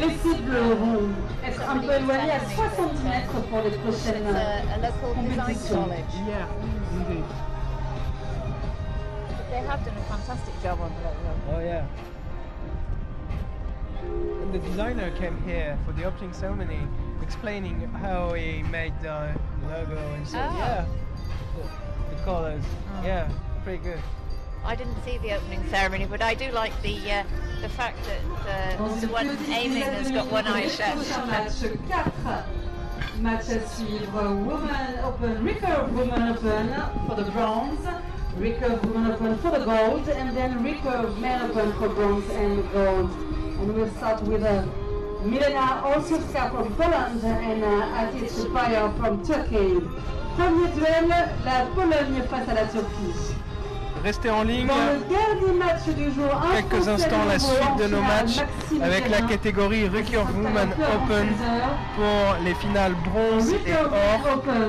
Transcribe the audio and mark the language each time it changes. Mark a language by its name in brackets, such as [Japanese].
[French] Le site bleu rouge est un peu éloigné à 60 mètres pour les prochaines compétitions. [English] Yeah, indeed. They have done a fantastic job on that room. Oh yeah. And the designer came here for the opening ceremony, explaining how he made the logo and so the colors. Oh. Yeah, pretty good. I didn't see the opening ceremony, but I do like the fact that the one aiming has got one eye shut. [French] Match 4. Match à suivre. [English] Woman open, recurve woman open for the bronze, recurve woman open for the gold, and then recurve man open for bronze and gold. And we'll start with Milena Osiewska from Poland and Atit Supaya from Turkey. [French] Premier duel, la Pologne face à la Turquie. Restez en ligne dans le dernier match du jour, quelques instants, la suite de nos matchs avec la catégorie Recurve Women Open pour les finales bronze et or.